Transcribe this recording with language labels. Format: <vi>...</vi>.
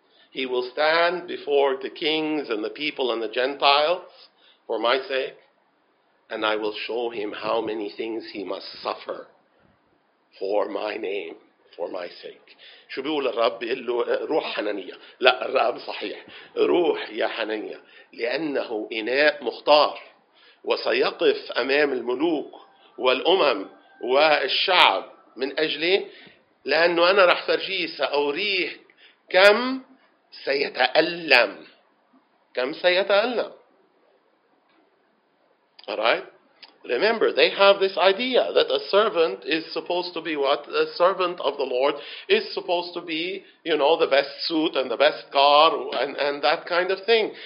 <en>He will stand before the kings and the people and the Gentiles for my sake. And I will show him how many things he must suffer for my name, for my sake.</en> <ar>شو بيقول الرب؟ بيقول له روح حنانية. لا الرب صحيح. روح يا حنانية. لأنه إناء مختار. وسيقف أمام الملوك والأمم والشعب من أجله. لأنه أنا رح فرجيه سأوريه كم سيتألم. كم سيتألم.</ar> <en>Alright. Remember, they have this idea that a servant is supposed to be what? A servant of the Lord is supposed to be, you know, the best suit and the best car and that kind of thing.</en>